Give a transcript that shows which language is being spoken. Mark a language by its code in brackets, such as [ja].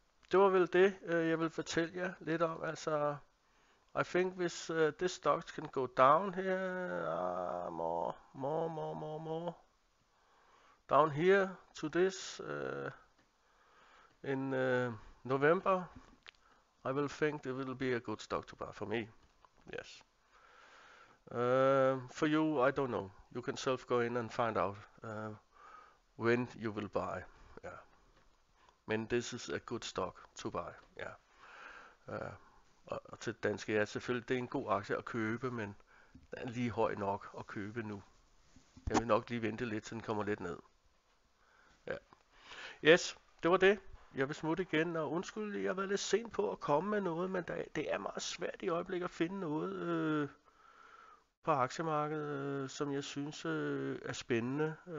[da] Det var vel det, jeg vil fortælle jer lidt om. [en] Altså, I think hvis this stock can go down here, more, down here to this in November, I will think it will be a good stock to buy for me. Yes. For you, I don't know. You can self go in and find out when you will buy. Men this is a good stock to buy, ja. [da] Og til danske, ja, selvfølgelig, det er en god aktie at købe, men den er lige høj nok at købe nu. Jeg vil nok lige vente lidt, så den kommer lidt ned. Ja. Yes, det var det. Jeg vil smutte igen, og undskyld, jeg har været lidt sent på at komme med noget, men det er meget svært i øjeblikket at finde noget på aktiemarkedet, som jeg synes er spændende.